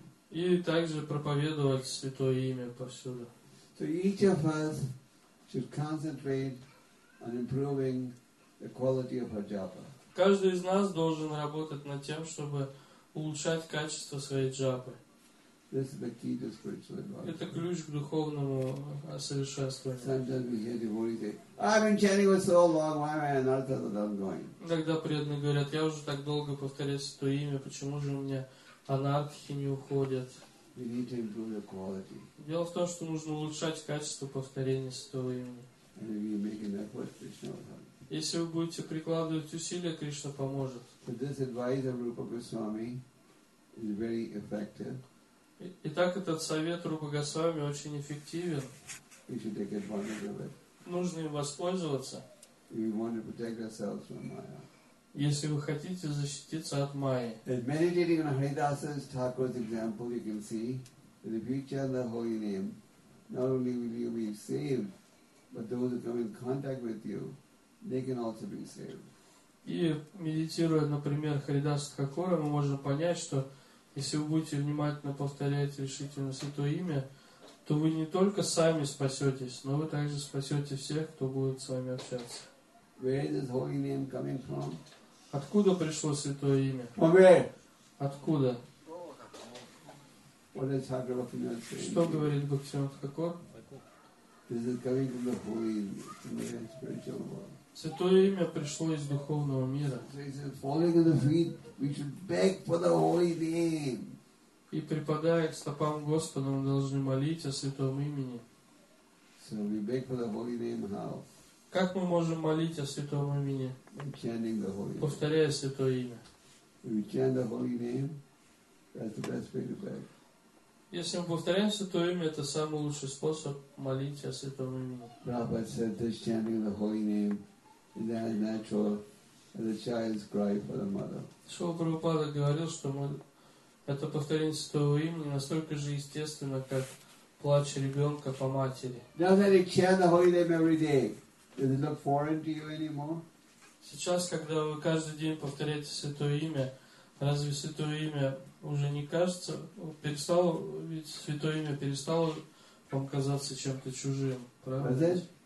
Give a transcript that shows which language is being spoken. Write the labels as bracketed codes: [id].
[ru] И также проповедовать святое имя повсюду. [en] So each of us should concentrate on improving the quality of our japa. [ru] Каждый из нас должен работать над тем, чтобы улучшать качество своей джапы. [en] This is the key to spiritual advancement. [ru] Это ключ к духовному совершенствованию. [en] Sometimes we hear devotees say, I've been chanting for so long, why am I anartha that I'm going? [ru] Когда преданные говорят, я уже так долго повторяю святое имя, почему же у меня анартхи не уходят? [en] We need to improve the quality. [ru] Дело в том, что нужно улучшать качество повторения святого имени. [en] And if you make an effort, Krishna will help. [ru] Если вы будете прикладывать усилия, Кришна поможет. [en] So this advice of Rupa Goswami is very effective. [ru] Итак, этот совет Рупа Госвами очень эффективен. [en] We should take advantage of it. [ru] Нужно им воспользоваться. [en] We want to protect ourselves from Maya. [ru] Если вы хотите защититься от Майи. [en] And meditating on Haridasa's Thakur's example, you can see that if you chant the holy name, not only will you be saved, but those who come in contact with you, they can also be saved. [ru] И медитируя, например, Харидаса Такура, мы можем понять, что Если вы будете внимательно повторять решительно Святое Имя, то вы не только сами спасетесь, но вы также спасете всех, кто будет с вами общаться. [en] Where is the Holy Name coming from? [ru] Откуда пришло Святое Имя? [en] From where? [ru] Откуда? [en] What is Bhaktivinoda saying? [ru] Что говорит Бхактивинода Такур? [en] Is it coming from the Holy Name, from the spiritual world? [ru] Святое Имя пришло из духовного мира. [en] So he says, falling at the feet, we should beg for the Holy Name. [ru] И припадая к стопам Господа, мы должны молить о Святом Имени. [en] So we beg for the Holy Name how? [ru] Как мы можем молить о Святом Имени? [en] Chanting the Holy Name. [ru] Повторяя Святое Имя. [en] If we chant the Holy Name, that's the best way to beg. [ru] Если мы повторяем Святое Имя, это самый лучший способ молить о Святом Имени. [en] Prabhupada said this chanting the Holy Name is as natural as a child's cry for the mother. [ru] Шрила Прабхупада говорил, что это повторение Святого Имени настолько же естественно, как плач ребенка по матери. [en] Now that you chant the Holy Name every day, does it look foreign to you anymore? [ru] Сейчас, когда вы каждый день повторяете Святое Имя, разве Святое Имя уже не кажется, перестало, ведь Святое Имя перестало вам казаться чем-то чужим, правда?